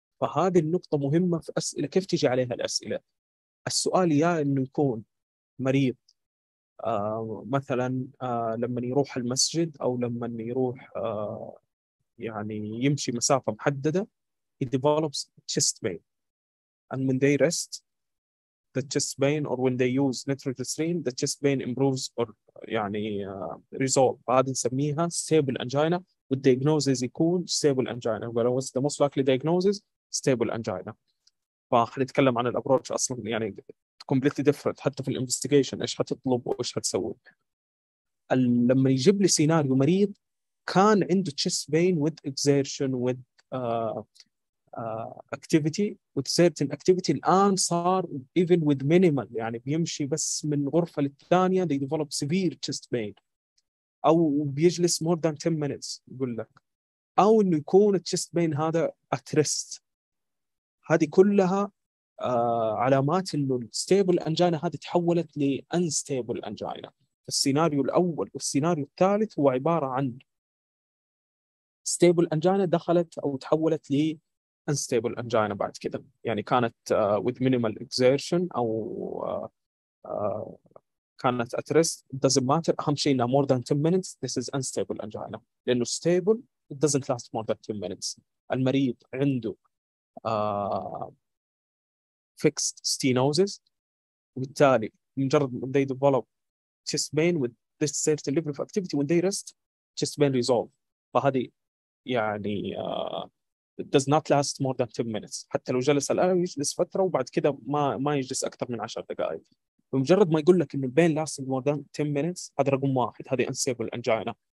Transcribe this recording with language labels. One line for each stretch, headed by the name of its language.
Arabic: فهذه النقطة مهمة في أسئلة كيف تجي عليها الأسئلة. السؤال يا إنه يكون مريض مثلا لما يروح المسجد أو لما يروح يعني يمشي مسافة محددة
English: he develops chest pain and when they rest the chest pain or when they use nitroglycerin the chest pain improves or
Arabic: يعني
English: resolve.
Arabic: فهذه نسميها
English: stable angina والdiagnosis
Arabic: يكون
English: stable angina but what's the most likely diagnosis stable angina.
Arabic: فحنتكلم عن الابروتش اصلا يعني
English: completely different
Arabic: حتى في الانفستيجيشن ايش حتطلب وايش حتسوي. لما يجيب لي سيناريو مريض كان عنده
English: chest pain with exertion with activity with certain activity الان صار even with minimal
Arabic: يعني بيمشي بس من غرفه للثانيه
English: they develop severe chest pain او بيجلس more than 10 minutes
Arabic: يقول لك او انه يكون
English: chest pain هذا at rest.
Arabic: هذه كلها علامات انه الستيبل انجينا هذه تحولت لانستيبل انجينا. السيناريو الاول والسيناريو الثالث هو عباره عن ستيبل انجينا دخلت او تحولت لانستيبل انجينا بعد كده, يعني كانت
English: with minimal exertion
Arabic: او كانت
English: at rest it doesn't matter,
Arabic: اهم شيء انها
English: more than 10 minutes this is unstable angina
Arabic: لانه
English: stable it doesn't last more than 10 minutes.
Arabic: المريض عنده
English: fixed stenosis
Arabic: وبالتالي مجرد
English: they develop chest pain with this certain level of activity when they rest chest pain resolve.
Arabic: فهذه يعني
English: it does not last more than 10 minutes
Arabic: حتى لو جلس الآن يجلس فترة وبعد كده ما يجلس أكثر من 10 دقائق. فمجرد ما يقول لك إن
English: pain lasting more than 10 minutes
Arabic: هذا رقم واحد, هذه unstable angina.